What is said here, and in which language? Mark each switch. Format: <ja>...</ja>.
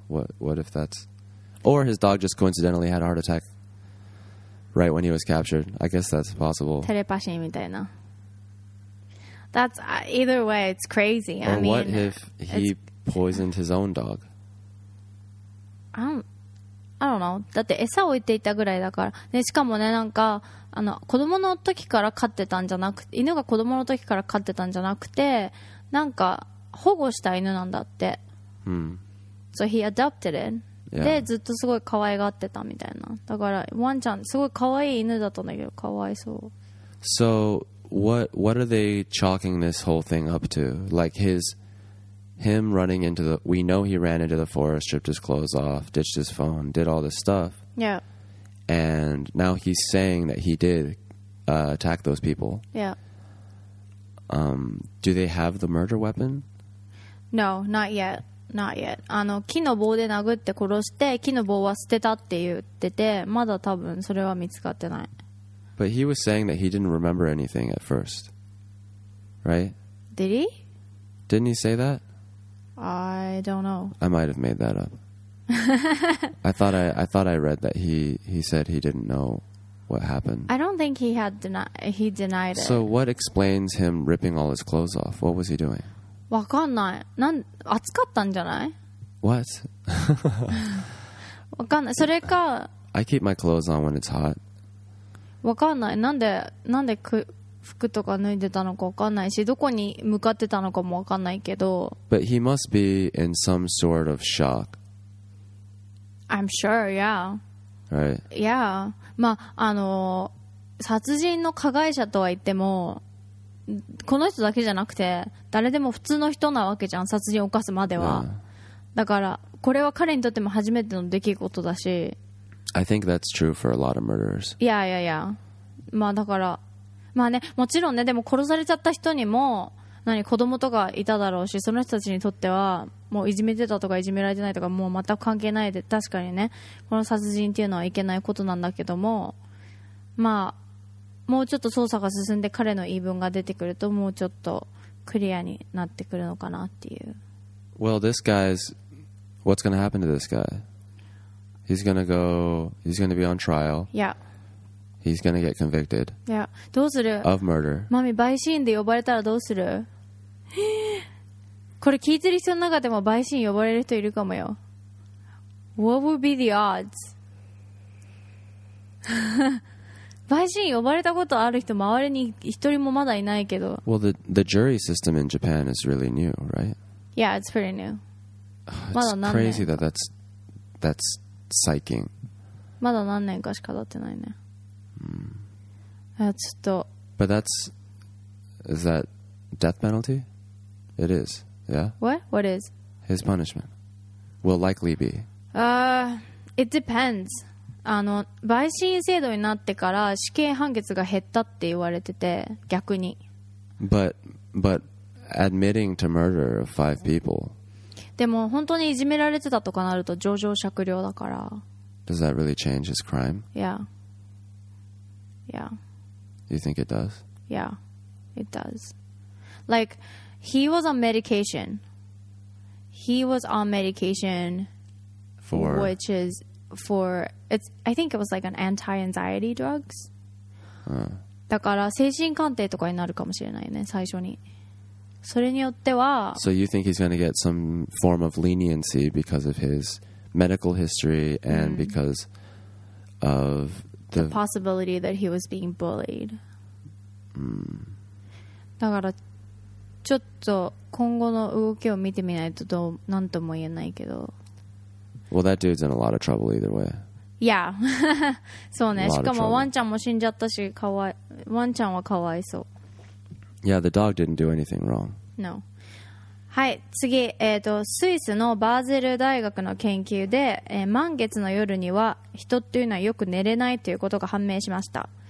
<en>What if that's... Or his dog just coincidentally had a heart attack right when he was captured. I guess that's possible. Telepathy</en> <ja>みたいな.</ja> <en>That's, either way, it's crazy. Or what if he poisoned his own dog? I don't know.</en> <ja>だって餌を置いていたぐらいだから。でしかもね、なんかあの子供の時から飼ってたんじゃなくて、犬が子供の時から飼ってたんじゃなくて、なんか保護した犬なんだって。 Hmm.</ja> <en>So he adopted it.</en> <ja>で、ずっとすごい可愛がってたみたいな。だからワンちゃんすごい可愛い犬だったんだけど、かわいそう。</ja> <en>So what are they chalking this whole thing up to? Like his... Him running into the... We know he ran into the forest, stripped his clothes off, ditched his phone, did all this stuff. Yeah. And now he's saying that he did attack those people. Yeah. Do they have the murder weapon? No, not yet. Not yet.</en> <ja>あの、木の棒で殴って殺して、木の棒は捨てたって言ってて、まだ多分それは見つかってない。</ja> <en>But he was saying that he didn't remember anything at first. Right? Did he? Didn't he say that? I don't know. I might have made that up. I thought I read that he said he didn't know what happened. I don't think he denied it. So what explains him ripping all his clothes off? What was he doing?</en> <ja>わかんない。なん、暑かったんじゃない?</ja> <en>What?</en> <ja>わかんない。それか。</ja> <en>I keep my clothes on when it's hot.</en> <ja>わかんない。なんで服とか脱いでたのか分かんないし、どこに向かってたのかも分かんないけど。</ja> <en>But he must be in some sort of shock. I'm sure, yeah. Right. Yeah.</en> <ja>まあ、あの、殺人の加害者とは言っても、この人だけじゃなくて、誰でも普通の人なわけじゃん、殺人を犯すまでは。</ja> <en>Yeah.</en> <ja>だから、これは彼にとっても初めての出来事だし。</ja> <en>I think that's true for a lot of murderers. Yeah, yeah, yeah.</en> <ja>まあだから、まあね、もちろんね、でも殺されちゃった人にも何子供とかいただろうし、その人たちにとってはもういじめてたとかいじめられてないとかもう全く関係ないで、確かにね、この殺人っていうのはいけないことなんだけども、まあもうちょっと捜査が進んで彼の言い分が出てくるともうちょっとクリアになってくるのかなっていう。</ja> <en>Well, this guy's what's gonna happen to this guy? He's gonna be on trial. Yeah. He's gonna get convicted. Yeah.</en> <ja>どうする?</ja> <en>Of murder.</en> <ja>Mommy, 陪審で呼ばれたらどうする? これ聞いてる人の中でも陪審呼ばれる人いるかもよ。</ja> <en>What would be the odds?</en> <ja>陪審呼ばれたことある人周りに一人もまだいないけど。</ja> <en>Well, the jury system in Japan is really new, right? Yeah, it's pretty new.</en> <ja>まだ何年?</ja> <en>It's crazy that that's psyching.</en> <ja>まだ何年かしか経ってないね。ちょっと</ja> <en>But that's Is that death penalty? It is, yeah? What? What is? His punishment will likely be? It depends.</en> <ja>あの、陪審制度になってから死刑判決が減ったって言われてて、逆に。</ja> <en>But admitting to murder of five people.</en> <ja>でも本当にいじめられてたとかなると情状酌量だから。</ja> <en>Does that really change his crime? Yeah. Yeah. You think it does? Yeah, it does. Like, he was on medication. He was on medication. For? Which is for, it's, I think it was like an anti-anxiety drugs.</en> <ja>だから精神鑑定とかになるかもしれないね、最初に。それによっては。</ja> <en>So you think he's going to get some form of leniency because of his medical history and because of the possibility that he was being bullied.</en> <ja>だからちょっと今後の動きを見てみないとどう、なんとも言えないけど。</ja> <en>Well, that dude's in a lot of trouble either way. Yeah.</en> <ja>そうね。しかもワンちゃんも死んじゃったし、かわい、ワンちゃんはかわいそう。</ja> <en>Yeah, the dog didn't do anything wrong. No.</en> <ja>はい、次、スイスのバーゼル大学の研究で、満月の夜には人っていうのはよく寝れないということが判明しました。</ja>